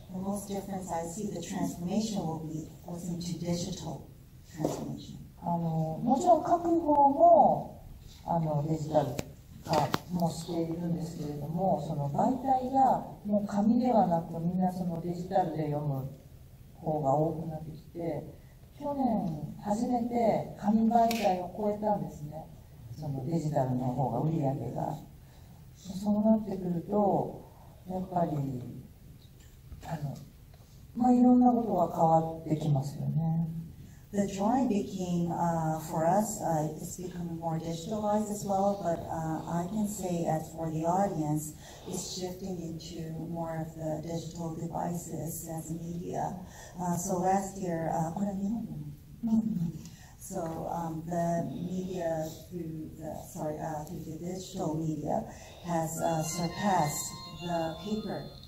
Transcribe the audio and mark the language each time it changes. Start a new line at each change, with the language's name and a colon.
English: The most difference I see, the transformation will be goes into digital transformation.
Japanese: もちろん書く方もデジタル化もしているんですけれども、その媒体がもう紙ではなくみんなそのデジタルで読む方が多くなってきて、去年初めて紙媒体を超えたんですね。そのデジタルの方が売り上げが。そうなってくると、やっぱり、いろんなことが変わってきますよね。
English: The drawing became, for us, it's becoming more digitalized as well, but I can say as for the audience, it's shifting into more of the digital devices as media. So last year, the media through the digital media has surpassed the paper.